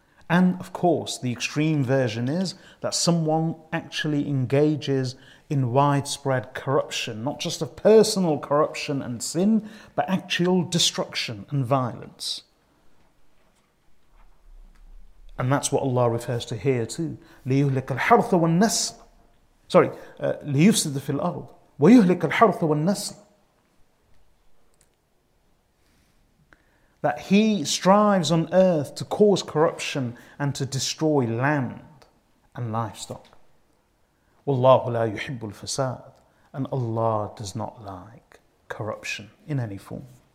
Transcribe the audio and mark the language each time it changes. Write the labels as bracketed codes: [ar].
[en] And of course, the extreme version is that someone actually engages in widespread corruption, not just of personal corruption and sin, but actual destruction and violence. And that's what Allah refers to here too. [ar] لِيُهْلِكَ الْحَرْثَ وَالنَّسْلَ. [en] Sorry, [ar] لِيُفْسِدَ فِي الْأَرْضِ وَيُهْلِكَ الْحَرْثَ وَالنَّسْلَ. [en] That he strives on earth to cause corruption and to destroy land and livestock. [ar] وَاللَّهُ لَا يُحِبُّ الْفَسَادِ. [en] And Allah does not like corruption in any form.